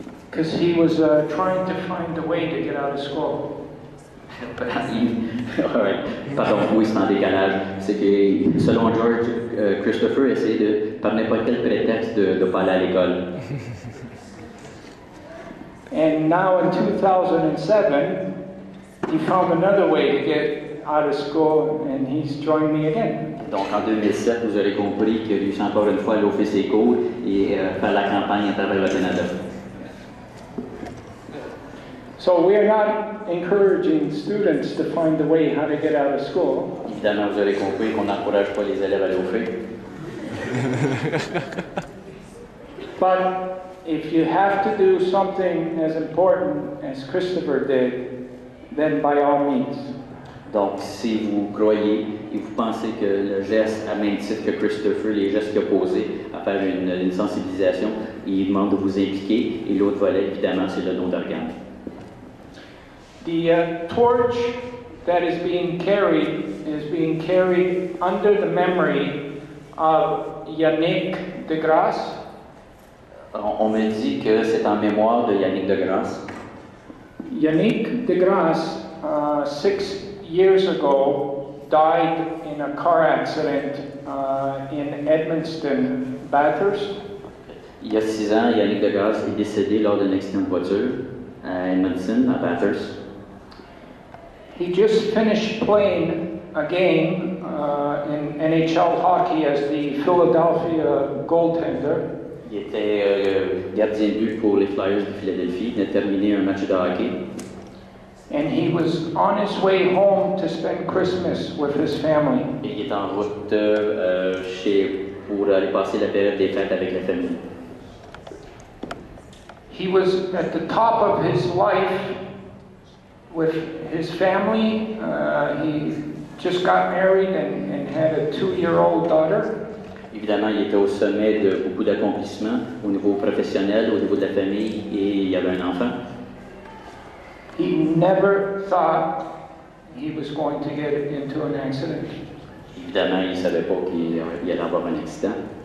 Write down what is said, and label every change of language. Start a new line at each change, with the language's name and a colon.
English: Because he was trying to find a way to get out of school.
French: Pardon, oui, c'est en décalage. C'est que, selon George, Christopher essayait de, par n'importe quel prétexte, de ne pas aller à l'école.
English: And now in 2007, he found another way to get out of school, and he's joined me again.
French: Donc en 2007, vous aurez compris qu'il a réussi encore une fois à l'office des cours et faire la campagne à travers le Canada.
English: So we are not encouraging students to find a way how to get out of school.
French: Évidemment, vous aurez compris qu'on n'encourage pas les élèves à l'office.
English: But if you have to do something as important as Christopher did, then by all means.
French: Donc, si vous croyez et vous pensez que le geste à même titre que Christopher, les gestes qu'il a posés à faire une sensibilisation, il demande de vous impliquer. Et l'autre volet, évidemment, c'est le don d'organes.
English: The torch that is being carried under the memory of Yannick DeGrasse.
French: On me dit que c'est en mémoire de Yannick DeGrasse.
English: Yannick DeGrasse, 6 years ago, died in a car accident in Edmonton, Bathurst.
French: Il y a 6 ans, Yannick DeGrasse est décédé lors d'un accident de voiture à Edmonton, à Bathurst.
English: He just finished playing a game in NHL hockey as the Philadelphia goaltender.
French: Il était gardien de but pour les Flyers de Philadelphie. Il a terminé un match de hockey.
English: And he was on his way home to spend Christmas with his family.
French: Et il est en route chez pour aller passer la période des fêtes avec la famille.
English: He was at the top of his life with his family. He just got married and had a 2-year-old daughter.
French: Évidemment, il était au sommet de beaucoup d'accomplissements au niveau professionnel, au niveau de la famille, et il y avait un enfant.
English: He never thought he was going to get into an accident.
French: Évidemment, il ne savait pas qu'il allait avoir un accident.